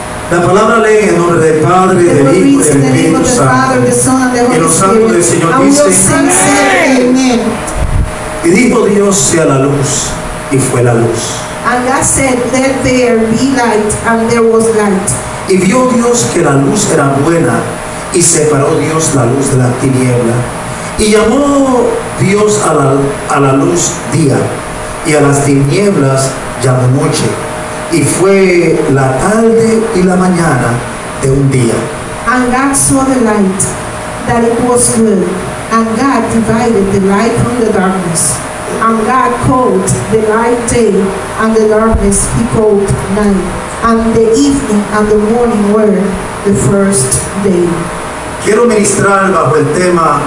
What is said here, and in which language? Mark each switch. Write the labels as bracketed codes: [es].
[es] La palabra lee en nombre del Padre, del Hijo, del Espíritu Santo. Y los santos del Señor dicen: Amén. Y dijo Dios: sea la luz, y fue la luz. [en] And God said, let there be light, and there was light. [es] Y vio Dios que la luz era buena, y separó Dios la luz de la tiniebla. Y llamó Dios a la luz día, y a las tinieblas llamó noche. Y fue la tarde y la mañana de un día. [en] And God saw the light, that it was good. And God divided the light from the darkness. And God called the light day, and the darkness he called night. And the evening and the morning were the first day. [es] Quiero ministrar bajo el tema.